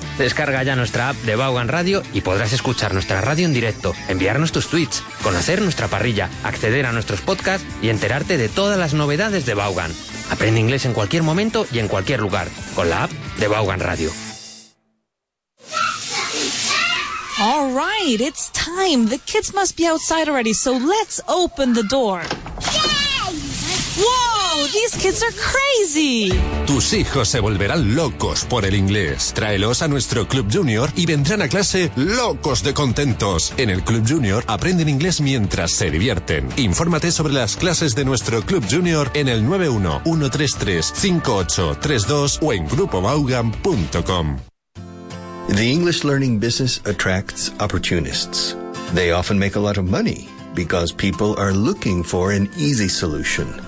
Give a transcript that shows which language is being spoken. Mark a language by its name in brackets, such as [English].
[Spanish] Descarga ya nuestra app de Vaughan Radio y podrás escuchar nuestra radio en directo, enviarnos tus tweets, conocer nuestra parrilla, acceder a nuestros podcasts y enterarte de todas las novedades de Vaughan. Aprende inglés en cualquier momento y en cualquier lugar con la app de Vaughan Radio. [English] All right, it's time. The kids must be outside already, so let's open the door. These kids are crazy. [Spanish] Tus hijos se volverán locos por el inglés. Tráelos a nuestro Club Junior y vendrán a clase locos de contentos. En el Club Junior aprenden inglés mientras se divierten. Infórmate sobre las clases de nuestro Club Junior en el 91-133-5832 o en grupovaughan.com. [English] The English learning business attracts opportunists. They often make a lot of money because people are looking for an easy solution.